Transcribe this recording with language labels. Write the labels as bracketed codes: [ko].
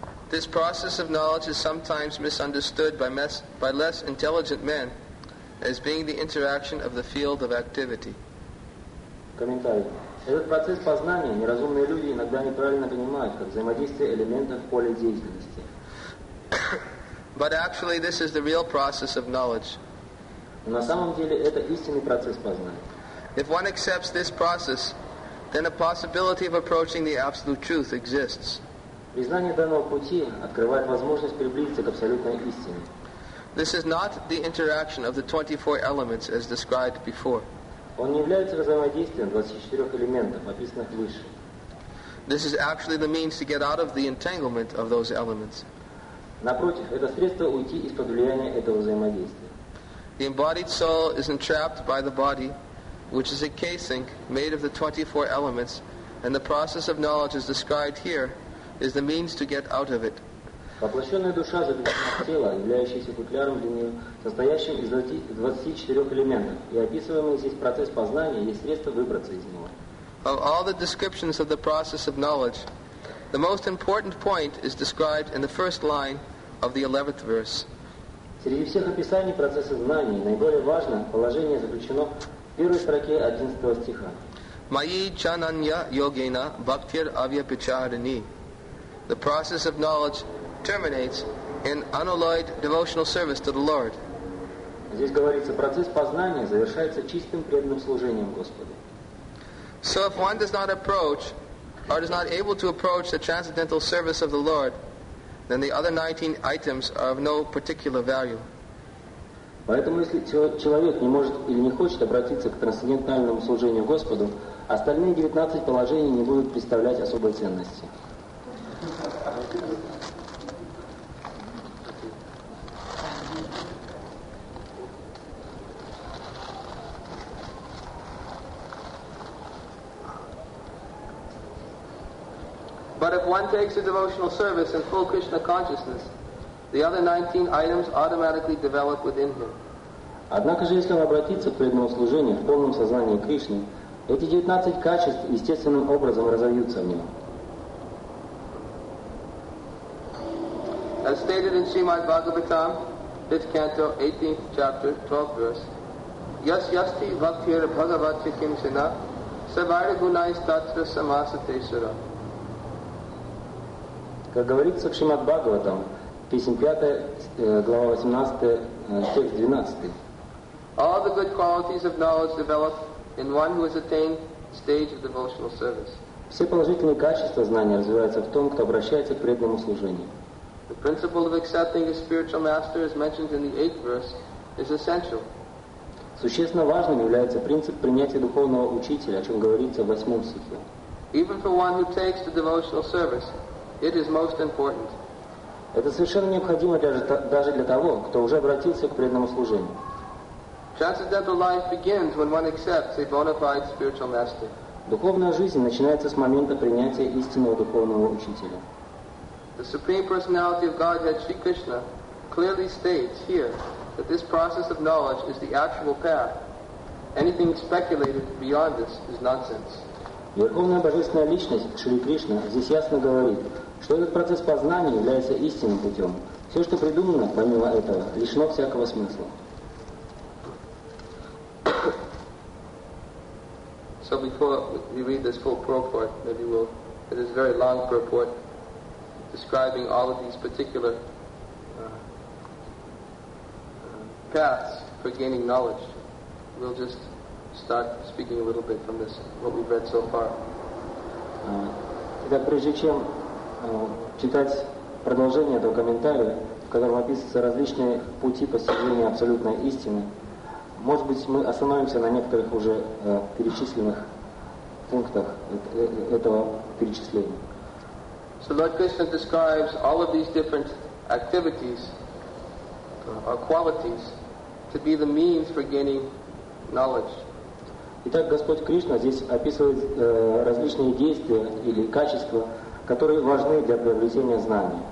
[en] This process of knowledge is sometimes misunderstood by less intelligent men as being the interaction of the field of activity. [ru] Комментарий. Этот процесс познания неразумные люди иногда неправильно понимают как взаимодействие элементов поля деятельности. [en] But actually, this is the real process of knowledge. [ru] На самом деле, это истинный процесс познания. [en] If one accepts this process, then a possibility of approaching the absolute truth exists. [ru] Признание данного пути открывает возможность приблизиться к абсолютной истине. [en] This is not the interaction of the 24 elements as described before. [ru] Он не является взаимодействием 24 элементов, описанных выше. [en] This is actually the means to get out of the entanglement of those elements. [ru] Напротив, это средство уйти из-под влияния этого взаимодействия. [en] The embodied soul is entrapped by the body, which is a casing made of the 24 elements, and the process of knowledge as described here is the means to get out of it. [ru] Воплощенная душа заключена в тело, являющееся футляром для нее, состоящим из 24 элементов, и описываемый здесь процесс познания есть средство выбраться из него. [en] Of all the descriptions of the process of knowledge, the most important point is described in the first line of the 11th verse. [ru] Среди всех описаний процесса знаний наиболее важное положение заключено в первой строке 11 стиха. [sa] Майи чананья йогена бхактир авья пичарини. [en] The process of knowledge terminates in unalloyed devotional service to the Lord. [ru] Здесь говорится, процесс познания завершается чистым преданным служением Господу. [en] So if one does not approach or is not able to approach the transcendental service of the Lord, then the other 19 items are of no particular value. [ru] Поэтому если человек не может или не хочет обратиться к трансцендентальному служению Господу, остальные 19 положений не будут представлять особой ценности. [en] But if one takes a devotional service in full Krishna consciousness, the other 19 items automatically develop within him. [ru] Однако же, если он обратится к преданному служению в полном сознании Кришны, эти 19 качеств естественным образом разовьются в нем. [en] As stated in Srimad Bhagavatam, 5th canto, 18th chapter, 12th verse, [sa] Yas yasti bhaktir bhagavati kim sena, savara gunai statra samasate sura. [ru] Как говорится в Шримад Бхагаватам, песня 5, глава 18, текст 12. [en] All the good qualities of knowledge develop in one who has attained stage of devotional service. [ru] Все положительные качества знания развиваются в том, кто обращается к преданному служению. [en] The principle of accepting a spiritual master, as mentioned in the 8th verse, is essential. [ru] Существенно важным является принцип принятия духовного учителя, о чем говорится в 8 стихе. [en] Even for one who takes the devotional service, it is most important. [ru] Это совершенно необходимо даже для того, кто уже обратился к преданному служению. [en] Transcendental life begins when one accepts a bona fide spiritual master. [ru] Духовная жизнь начинается с момента принятия истинного духовного учителя. [en] The Supreme Personality of Godhead, Sri Krishna, clearly states here that this process of knowledge is the actual path. Anything speculated beyond this is nonsense. [ru] Верховная Божественная Личность, Шри Кришна, здесь ясно говорит, что этот процесс познания является истинным путем. Все, что придумано, помимо этого, лишено всякого смысла. [en] So before we read this full purport, maybe we'll... It is a very long purport, describing all of these particular paths for gaining knowledge. We'll just start speaking a little bit from this, what we've read so far. [ru] Итак, прежде чем читать продолжение этого комментария, в котором описываются различные пути постижения абсолютной истины, может быть, мы остановимся на некоторых уже перечисленных пунктах этого перечисления. [en] So Lord Krishna describes all of these different activities or qualities to be the means for gaining knowledge. [ru] Итак, Господь Кришна здесь описывает различные действия или качества, которые важны для приобретения знаний.